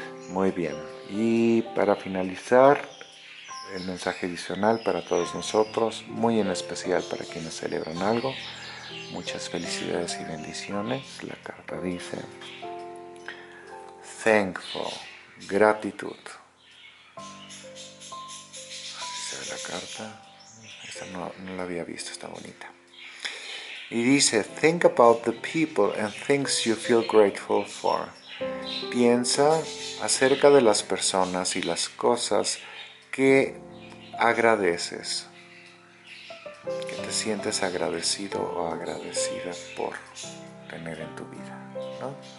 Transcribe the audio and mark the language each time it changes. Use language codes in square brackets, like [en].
[es] Muy bien, y para finalizar, el mensaje adicional para todos nosotros, muy en especial para quienes celebran algo, muchas felicidades y bendiciones. La carta dice: thankful, gratitud. Así se ve la carta. Esta no la había visto, está bonita. Y dice: [en] think about the people and things you feel grateful for. [es] Piensa acerca de las personas y las cosas que agradeces, que te sientes agradecido o agradecida por tener en tu vida, ¿no?